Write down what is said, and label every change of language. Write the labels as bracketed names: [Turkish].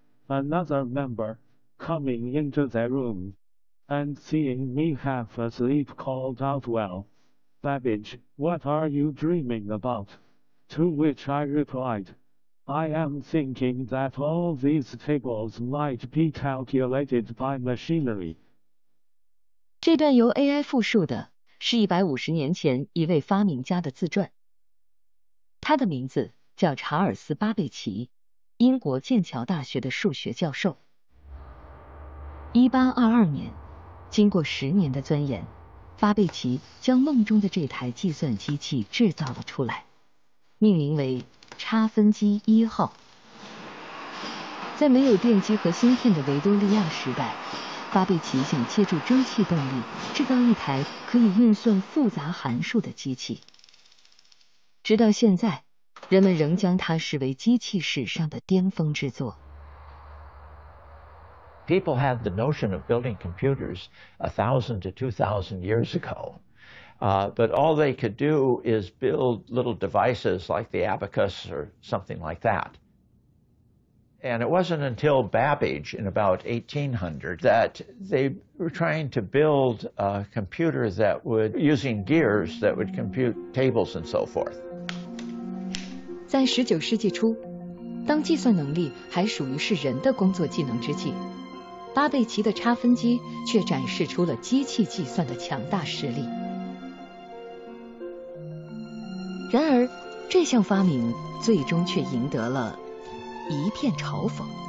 [English] Another member, coming into the room, and seeing me half asleep called out, "Well, Babbage, what are you dreaming about?" To which I replied,I am thinking that all these tables might be calculated by machinery. [Chinese] 这段由 AI 复述的是150年前一位发明家的自传。他的名字叫查尔斯·巴贝奇，英国剑桥大学的数学教授。 1822年，经过十年的钻研，巴贝奇将梦中的这台计算机器制造了出来，命名为差分机一号。在没有电机和芯片的维多利亚时代，巴贝奇想借助蒸汽动力制造一台可以运算复杂函数的机器。直到现在，人们仍将它视为机器史上的巅峰之作。 [English] People had the notion of building computers 1,000 to 2,000 years ago. But all they could do is build little devices like the abacus or something like that. And it wasn't until Babbage in about 1800 that they were trying to build a computer that would, using gears, that would compute tables and so forth. [Chinese] 在19世纪初，当计算能力还属于是人的工作技能之际，巴贝奇的差分机却展示出了机器计算的强大实力。然而，这项发明最终却赢得了一片嘲讽。